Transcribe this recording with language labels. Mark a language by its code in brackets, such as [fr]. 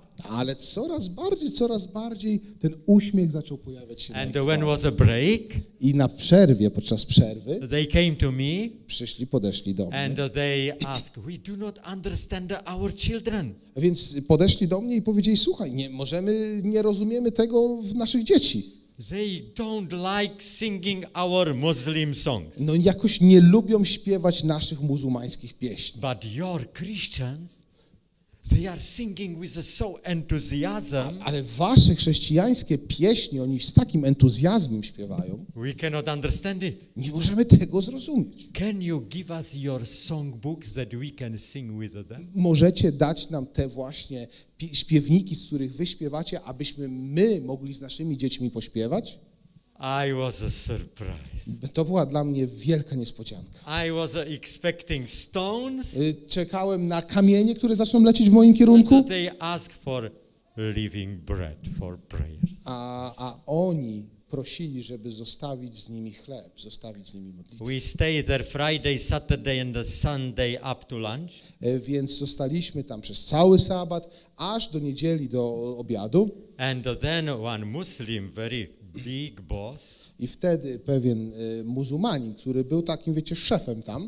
[pl] Ale coraz bardziej ten uśmiech zaczął pojawiać się [en] And [pl] na ich [en] when was a break, [pl] i na przerwie, podczas przerwy, [en] they came to me, [pl] przyszli, podeszli do mnie. [en] And they asked, we do not understand our children. [pl] Więc podeszli do mnie i powiedzieli, słuchaj, nie rozumiemy tego w naszych dzieci. [en] They don't like singing our Muslim songs. [pl] No jakoś nie lubią śpiewać naszych muzułmańskich pieśni. [en] But your Christians, they are singing with so enthusiasm. [pl] Ale wasze chrześcijańskie pieśni, oni z takim entuzjazmem śpiewają. [en] We cannot understand it. [pl] Nie możemy tego zrozumieć. [en] Can you give us your songbook that we can sing with them? [pl] Możecie dać nam te właśnie śpiewniki, z których wy śpiewacie, abyśmy my mogli z naszymi dziećmi pośpiewać? [en] I was a surprise. [pl] To była dla mnie wielka niespodzianka. [en] I was expecting stones. [pl] Czekałem na kamienie, które zaczną lecieć w moim kierunku. [en] They ask for living bread for prayers. [pl] A oni prosili, żeby zostawić z nimi chleb, zostawić z nimi modlitwę. [en] We stayed there Friday, Saturday and the Sunday up to lunch. [pl] Więc zostaliśmy tam przez cały sabat, aż do niedzieli, do obiadu. [en] And then one Muslim, very big boss. [pl] I wtedy pewien muzułmanin, który był takim, wiecie, szefem tam,